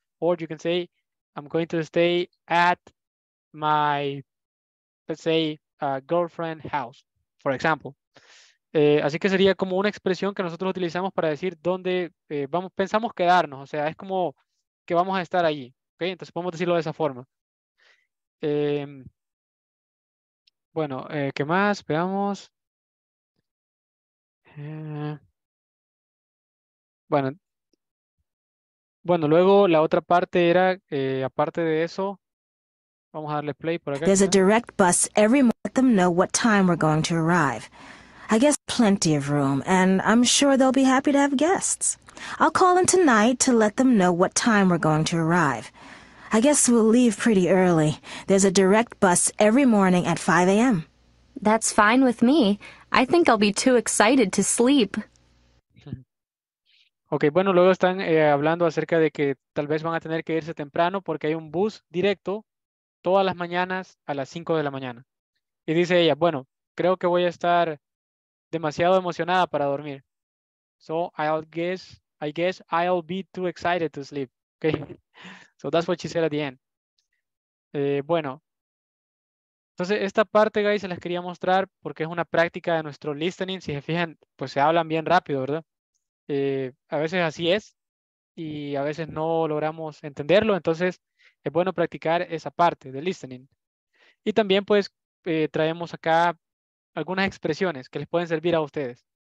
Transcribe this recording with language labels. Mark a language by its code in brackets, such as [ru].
[en] Or you can say, I'm going to stay at my, let's say, girlfriend house, for example. [es] Así que sería como una expresión que nosotros utilizamos para decir dónde vamos, pensamos quedarnos. O sea, es como que vamos a estar allí. ¿Okay? Entonces podemos decirlo de esa forma. Bueno, ¿qué más? Veamos. Bueno, luego la otra parte era, aparte de eso, vamos a darle play por acá. [en] There's a direct bus every morning. Let them know what time we're going to arrive. I guess plenty of room, and I'm sure they'll be happy to have guests. I'll call in tonight to let them know what time we're going to arrive. I guess we'll leave pretty early. There's a direct bus every morning at 5 a.m. That's fine with me. I think I'll be too excited to sleep. [es] Ok, bueno, luego están hablando acerca de que tal vez van a tener que irse temprano porque hay un bus directo todas las mañanas a las 5 de la mañana. Y dice ella, bueno, creo que voy a estar demasiado emocionada para dormir. [en] So, I guess I'll be too excited to sleep. Ok, so that's what she said at the end. Bueno, [es] Entonces, esta parte, guys, se las quería mostrar porque es una práctica de nuestro listening. Si se fijan, pues se hablan bien rápido, ¿verdad? A veces así es y a veces no logramos entenderlo. Entonces, es bueno practicar esa parte de listening. Y también, pues, traemos acá algunas expresiones que les pueden servir a ustedes.